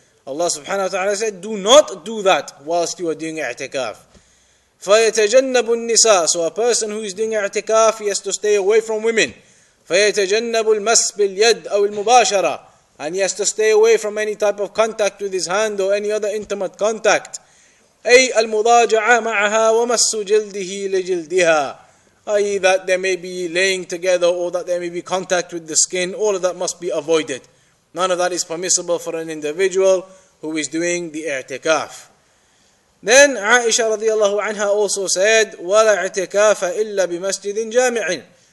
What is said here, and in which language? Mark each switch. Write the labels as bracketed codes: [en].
[en] Allah subhanahu wa ta'ala said, do not do that whilst you are doing i'tikaf. [ar] فَيَتَجَنَّبُ النِّسَاءُ. [en] So a person who is doing i'tikaf, he has to stay away from women. [ar] فَيَتَجَنَّبُ الْمَسْ بِالْيَدْ أَوْ الْمُبَاشَرَةِ. [en] And he has to stay away from any type of contact with his hand or any other intimate contact. [ar] أي المضاجعه معها ومس جلده لجلدها. [en] I.e. that they may be laying together, or that there may be contact with the skin. All of that must be avoided. None of that is permissible for an individual who is doing the i'tikaf. Then Aisha radiallahu anha also said, [ar] وَلَا اِعْتِكَافَ إِلَّا بِمَسْجِدٍ جَامِعٍ.